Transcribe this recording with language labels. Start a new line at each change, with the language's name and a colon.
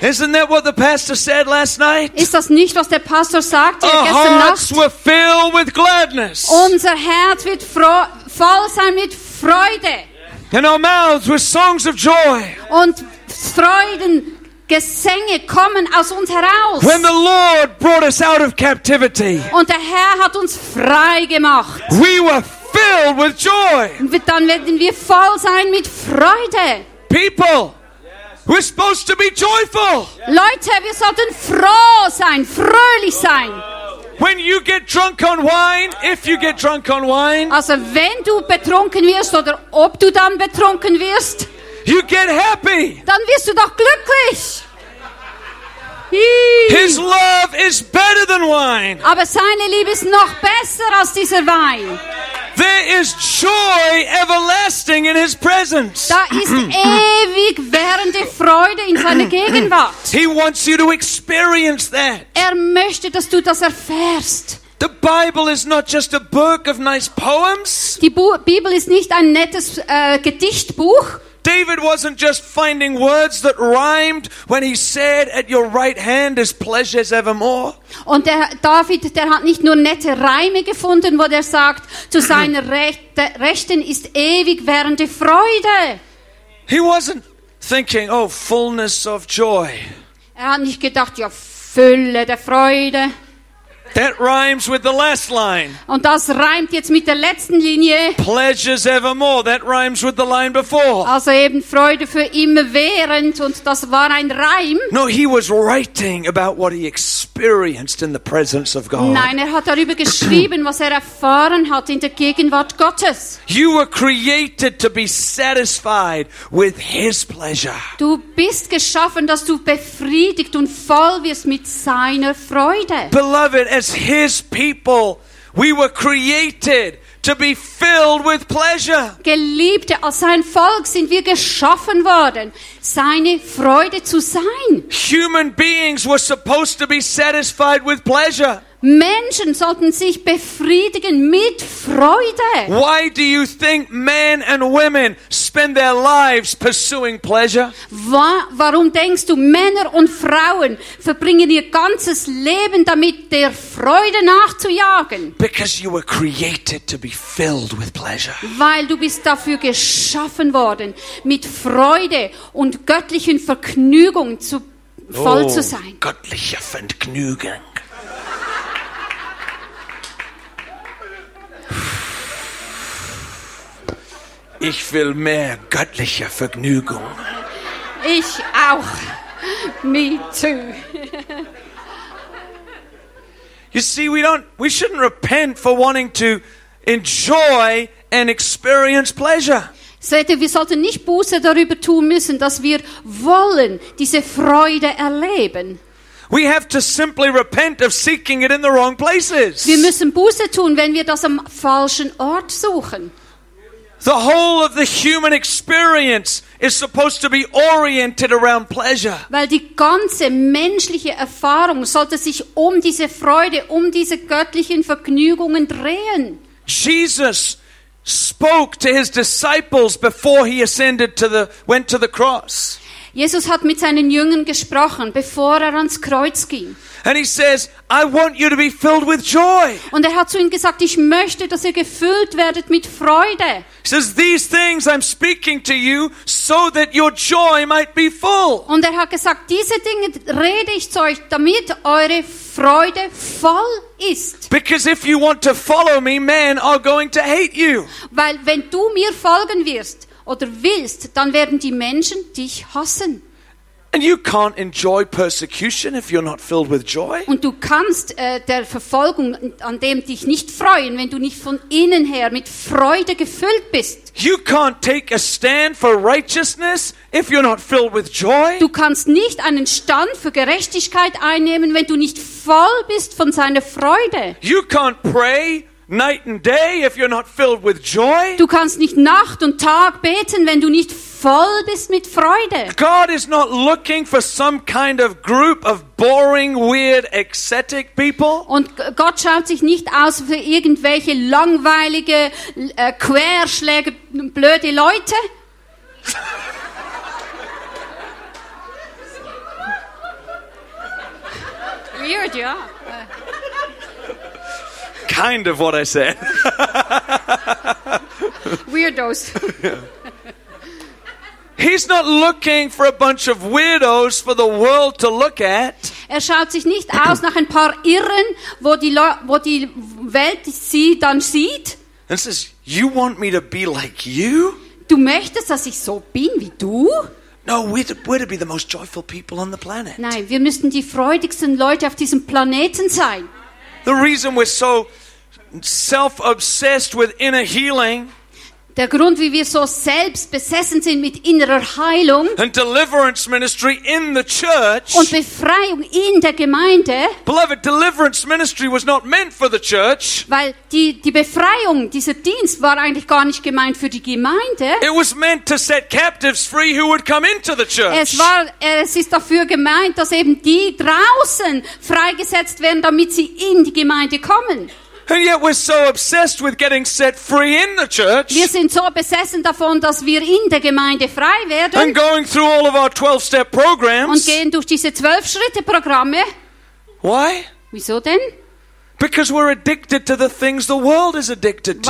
English: Isn't that what the pastor said last night?
German: Ist das nicht, was der Pastor sagte gestern Nacht?
English: Our hearts were filled with gladness.
German: Unser Herz wird voll sein mit Freude.
English: And our mouths with songs of joy.
German: Und Freuden. Gesänge kommen aus uns heraus.
English: When the Lord brought us out of captivity.
German: Und der Herr hat uns frei gemacht.
English: We were filled with joy.
German: Dann werden wir voll sein mit Freude.
English: People, we're supposed to be joyful.
German: Leute, wir sollten froh sein, fröhlich sein.
English: When you get drunk on wine, if you get drunk on wine.
German: Also wenn du betrunken wirst oder ob du dann betrunken wirst.
English: You get happy.
German: Dann wirst du doch glücklich.
English: His love is better than wine.
German: Aber seine Liebe ist noch besser als dieser Wein.
English: There is joy everlasting in his presence.
German: Da ist ewig währende Freude in seiner Gegenwart.
English: He wants you to experience that.
German: Er möchte, dass du das erfährst.
English: The Bible is not just a book of nice poems.
German: Die Bibel ist nicht ein nettes Gedichtbuch.
English: David wasn't just finding words that rhymed when he said, "At your right hand is pleasures evermore."
German: Und der David, der hat nicht nur nette Reime gefunden, wo der sagt, zu seiner Rechten ist ewig währende Freude.
English: He wasn't thinking, "Oh, fullness of joy."
German: Er hat nicht gedacht, ja, Fülle der Freude.
English: That rhymes with the last line.
German: Und das reimt jetzt mit der letzten Linie.
English: Pleasures evermore. That rhymes with the line before.
German: Also eben Freude für immer während und das war ein Reim.
English: No, he was writing about what he experienced in the presence of God.
German: Nein, er hat darüber geschrieben, was er erfahren hat in der Gegenwart Gottes.
English: You were created to be satisfied with his pleasure.
German: Du bist geschaffen, dass du befriedigt und voll wirst mit seiner Freude.
English: Beloved, as his people, we were created to be filled with pleasure.
German: Geliebte, als sein Volk sind wir geschaffen worden, seine Freude zu sein.
English: Human beings were supposed to be satisfied with pleasure.
German: Menschen sollten sich befriedigen mit Freude.
English: Why do you think men and women spend their lives pursuing pleasure?
German: Warum denkst du, Männer und Frauen verbringen ihr ganzes Leben damit, der Freude nachzujagen?
English: Because you were created to be filled with pleasure.
German: Weil du bist dafür geschaffen worden, mit Freude und göttlichen Vergnügungen voll zu sein. Göttliche Vergnügen. Ich will mehr göttliche Vergnügung. Ich auch.
English: Me too. You see, we shouldn't repent for wanting to enjoy and experience pleasure.
German: Seht ihr, wir sollten nicht Buße darüber tun müssen, dass wir wollen diese Freude erleben.
English: We have to simply repent of seeking it in the wrong places.
German: Wir müssen Buße tun, wenn wir das am falschen Ort suchen.
English: The whole of the human experience is supposed to be oriented around pleasure.
German: Weil die ganze menschliche Erfahrung sollte sich um diese Freude, um diese göttlichen Vergnügungen drehen.
English: Jesus spoke to his disciples before he ascended to the went to the cross.
German: Jesus hat mit seinen Jüngern gesprochen, bevor er ans Kreuz ging.
English: And he says, I want you to be filled with joy.
German: Und er hat zu ihnen gesagt, ich möchte, dass ihr gefüllt werdet mit Freude.
English: He says, these things I'm speaking to you, so that your joy might be full.
German: Und er hat gesagt, diese Dinge rede ich zu euch, damit eure Freude voll ist.
English: Because if you want to follow me, men are going to hate you.
German: Weil wenn du mir folgen wirst oder willst, dann werden die Menschen dich hassen.
English: And you can't enjoy persecution if you're not filled with joy.
German: Und du kannst der Verfolgung an dem dich nicht freuen, wenn du nicht von innen her mit Freude gefüllt bist.
English: You can't take a stand for righteousness if you're not filled with joy.
German: Du kannst nicht einen Stand für Gerechtigkeit einnehmen, wenn du nicht voll bist von seiner Freude.
English: You can't pray night and day if you're not filled with joy.
German: Du kannst nicht Nacht und Tag beten, wenn du nicht voll bist mit Freude.
English: God is not looking for some kind of group of boring, weird, ecstatic people.
German: Und Gott schaut sich nicht aus für irgendwelche langweilige Querschläge, blöde Leute.
English: Weird, yeah. Kind of what I said. Weirdos. He's not looking for a bunch of weirdos for the world to look at.
German: Er schaut sich nicht aus nach ein paar Irren, wo die Welt sie dann sieht.
English: And says, you want me to be like you?
German: Du möchtest, dass ich so bin wie du?
English: No, we're to be the most joyful people on the planet.
German: Nein, wir müssten die freudigsten Leute auf diesem Planeten sein.
English: The reason we're so self-obsessed with inner healing.
German: Der Grund, wie wir so selbst besessen sind mit innerer Heilung
English: and deliverance ministry in the church,
German: und Befreiung in der Gemeinde.
English: Beloved, deliverance ministry was not meant for the church.
German: Weil die Befreiung, dieser Dienst war eigentlich gar nicht gemeint für die Gemeinde.
English: It was meant to set captives free who would come into the church.
German: Es ist dafür gemeint, dass eben die draußen freigesetzt werden, damit sie in die Gemeinde kommen.
English: And yet we're so obsessed with getting set free in the church.
German: Wir sind so besessen davon, dass wir in der Gemeinde frei werden.
English: And going through all of our 12-step programs.
German: Und gehen durch diese 12-Schritte-Programme.
English: Why?
German: Wieso denn?
English: Because we're addicted to the things the world is addicted to.